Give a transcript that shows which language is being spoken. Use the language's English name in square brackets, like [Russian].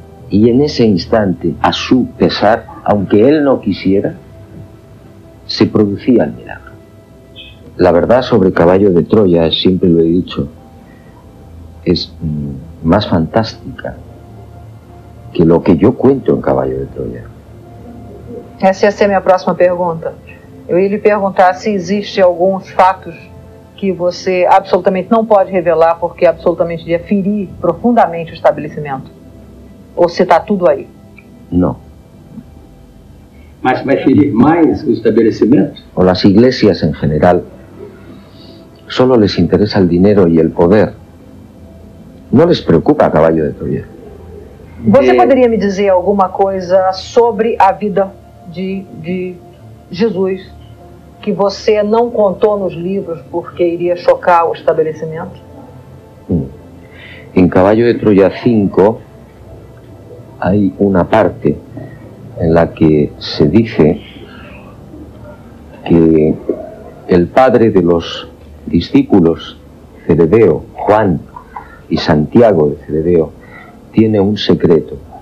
[Spanish] Y en ese instante, a su pesar, aunque él no quisiera, se producía el milagro. La verdad sobre Caballo de Troya, siempre lo he dicho, es más fantástica que lo que yo cuento en Caballo de Troya. [Portuguese] Essa ia ser minha próxima pergunta. Eu ia lhe perguntar se existem alguns fatos que você absolutamente não pode revelar porque absolutamente iria ferir profundamente o estabelecimento. Ou se está tudo aí? Não. Mas vai ferir mais o estabelecimento? Ou as igrejas em geral, só lhes interessa o dinheiro e o poder. Não lhes preocupa a Caballo de Troya. Você poderia me dizer alguma coisa sobre a vida de Jesus que você não contou nos livros porque iria chocar o estabelecimento? Em Caballo de Troya 5, há uma parte em que se diz que o padre [Spanish] de los discípulos Zebedeo, Juan y Santiago de Zebedeo, tiene un secreto